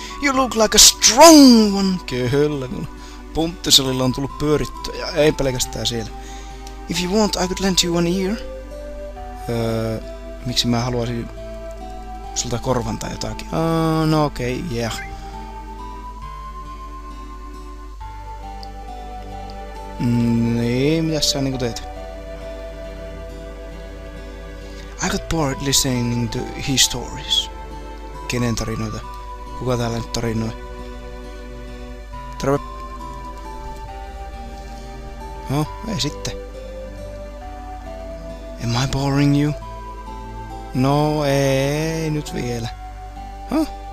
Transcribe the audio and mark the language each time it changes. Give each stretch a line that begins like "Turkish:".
English: You look like a strong one!
Finnish: Kyllä, kun punttisalilla on tullut pyörittyä ja ei pelkästään siellä.
English: If you want, I could lend you one ear.
Finnish: Miksi mä haluaisin sulta korvan tai jotakin? No okei, okay, yeah. Niin, mitäs sä niinku teet?
English: I got bored listening to his stories.
Finnish: Kenen tarinoita? Kuka täällä nyt tarinoi? Terve. No, ei sitten.
English: Am I boring you?
Finnish: No, ei nyt vielä. Huh?